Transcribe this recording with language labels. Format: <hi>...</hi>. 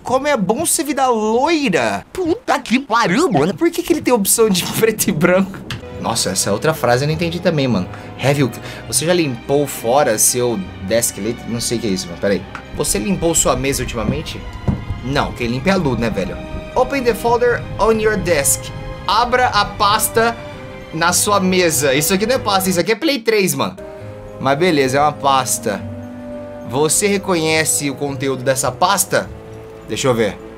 <pt>Como é bom ser vida loira! Puta que pariu, mano! Por que ele tem opção de preto e branco? Nossa, essa outra frase eu não entendi também, mano.</pt> <en>Have you...</en> <pt>Você já limpou fora seu desk lid? Não sei o que é isso, mano. Pera aí. Você limpou sua mesa ultimamente? Não, quem limpa é a Lu, né, velho?</pt> <en>Open the folder on your desk.</en> <pt>Abra a pasta na sua mesa. Isso aqui não é pasta, isso aqui é Play 3, mano. Mas beleza, é uma pasta. Você reconhece o conteúdo dessa pasta? Deixa eu ver.</pt>